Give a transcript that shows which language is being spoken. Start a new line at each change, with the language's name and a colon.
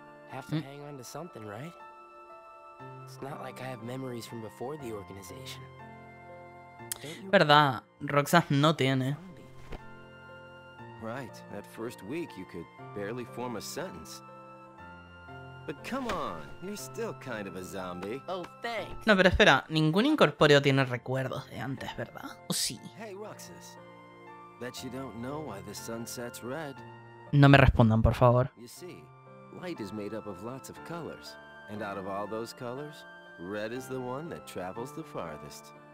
English: Have to hang on to something, right? It's not like I have memories from before the organization.
Spanish: Verdad, Roxanne no tiene.
English: Right, that first week you could barely form a sentence. But come on, you're still kind of a zombie. Oh, thanks.
Spanish: No, pero espera, ningún incorpóreo tiene recuerdos de antes, ¿verdad? ¿O sí?
English: Hey, Roxas. Bet you don't know why the sun sets red.
Spanish: No me respondan, por favor.
English: You see, light is made up of lots of colors. And out of all those colors, red is the one that travels the farthest.